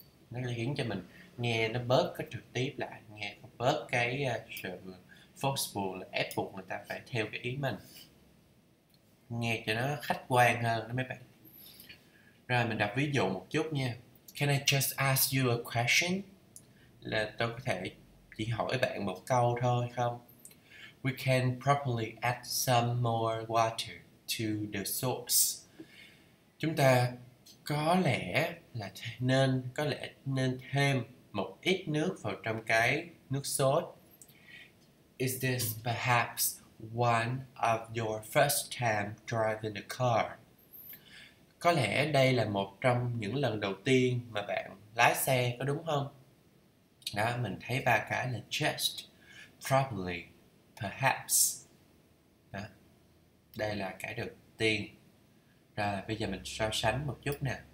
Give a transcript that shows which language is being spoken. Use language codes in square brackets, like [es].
[vi] Nó khiến cho mình nghe nó bớt cái trực tiếp lại, nghe bớt cái sự forceful, là ép buộc người ta phải theo cái ý mình. Nghe cho nó khách quan hơn đó mấy bạn. Rồi mình đọc ví dụ một chút nha. [en] Can I just ask you a question? [vi] Là tôi có thể chỉ hỏi bạn một câu thôi không? [en] We can properly add some more water to the sauce. [vi] Chúng ta có lẽ là nên thêm một ít nước vào trong cái nước sốt. [en] Is this perhaps one of your first time driving a car? [vi] Có lẽ đây là một trong những lần đầu tiên mà bạn lái xe, có đúng không? Đó, mình thấy ba cái là just, probably, perhaps. Đó, đây là cái đầu tiên. Rồi, bây giờ mình so sánh một chút nè.